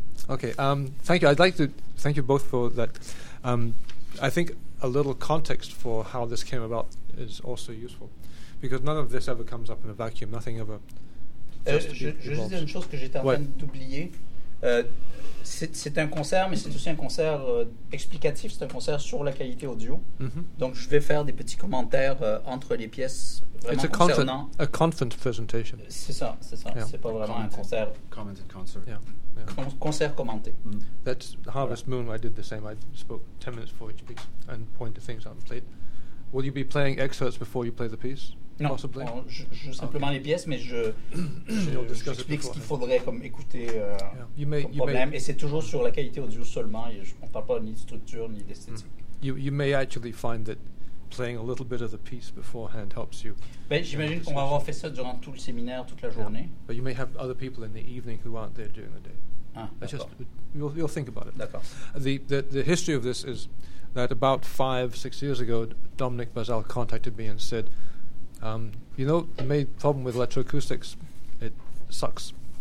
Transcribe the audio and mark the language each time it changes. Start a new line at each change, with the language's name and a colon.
English: Okay, thank you. I'd like to thank you both for that. I think a little context for how this came about is also useful, because none of this ever comes up in a vacuum. Nothing ever.
French: Je veux dire une chose que j'étais en train d'oublier. C'est un concert, mais c'est aussi un concert explicatif. C'est un concert sur la qualité audio. Mm-hmm. Donc je vais faire des petits commentaires entre les pièces.
English: It's a conference presentation.
French: C'est ça. Yeah. C'est pas vraiment
English: commented,
French: un concert.
English: Commented concert. Yeah.
French: Concert commenté.
English: Mm. That's Harvest Moon. I did the same. I spoke 10 minutes before each piece and pointed things out and played. Will you be playing excerpts before you play the piece?
French: Non.
English: Possibly.
French: Je simplement les pièces, mais j'explique ce qu'il faudrait comme écouter.
English: You may.
French: Et c'est toujours sur la qualité audio seulement. On ne parle pas ni de structure ni d'esthétique.
English: You may actually find that playing a little bit of the piece beforehand helps you.
French: Ben, j'imagine qu'on va avoir fait ça durant tout le séminaire, toute la journée.
English: Yeah. But you may have other people in the evening who aren't there during the day. Ah, just you'll think about it.
French: D'accord.
English: The history of this is that about 5-6 years ago, Dominic Bazal contacted me and said, you know, the main problem with electroacoustics, it sucks.